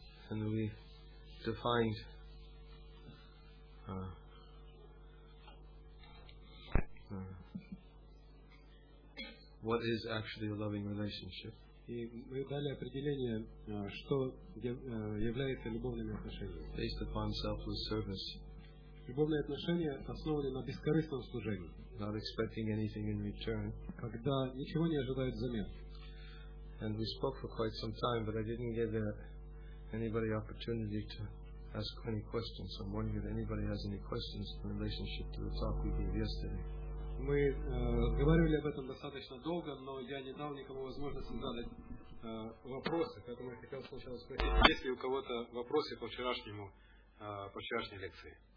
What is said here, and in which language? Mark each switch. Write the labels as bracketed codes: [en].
[en] And we defined what is actually a loving relationship. [ru] И мы дали определение, что является любовными отношениями. Любовные отношения основаны на бескорыстном служении. [en] Not expecting anything in return. [ru] Когда ничего не ожидают взамен. [en] And we spoke for quite some time, but I didn't give anybody opportunity to ask any questions. I'm wondering if anybody has any questions in relationship to the talk we gave yesterday. [ru] Мы разговаривали об этом достаточно долго, но я не дал никому возможности задать вопросы, поэтому я хотел сначала спросить, есть ли у кого-то вопросы по вчерашнему, по вчерашней лекции?